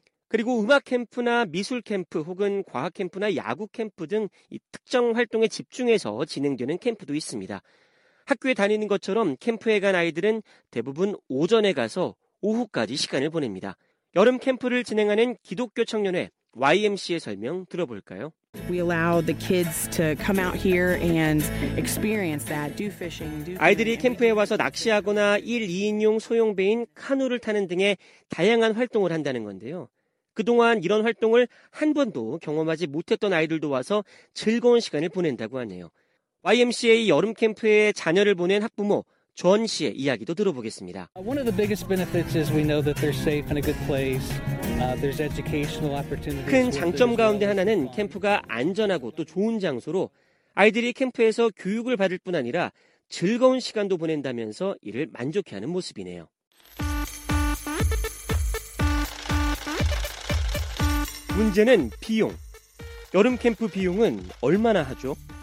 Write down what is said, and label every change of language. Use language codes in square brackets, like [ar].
[ko] 그리고 음악 캠프나 미술 캠프 혹은 과학 캠프나 야구 캠프 등 이 특정 활동에 집중해서 진행되는 캠프도 있습니다. 학교에 다니는 것처럼 캠프에 간 아이들은 대부분 오전에 가서 오후까지 시간을 보냅니다. 여름 캠프를 진행하는 기독교 청년회 YMC의 설명 들어볼까요? [en] We allow the kids to come out here and experience that. Do fishing, do [ko] 아이들이 캠프에 와서 낚시하거나 1, 2인용 소형 배인 카누를 타는 등의 다양한 활동을 한다는 건데요. 그동안 이런 활동을 한 번도 경험하지 못했던 아이들도 와서 즐거운 시간을 보낸다고 하네요. YMCA 여름 캠프에 자녀를 보낸 학부모 존 씨의 이야기도 들어보겠습니다. [en] One of the biggest benefits is we know that they're safe and a good place. There's educational opportunities. [ko] 큰 장점 가운데 하나는 캠프가 안전하고 또 좋은 장소로 아이들이 캠프에서 교육을 받을 뿐 아니라 즐거운 시간도 보낸다면서 이를 만족해하는 모습이네요. 문제는 비용. 여름 캠프 비용은 얼마나 하죠?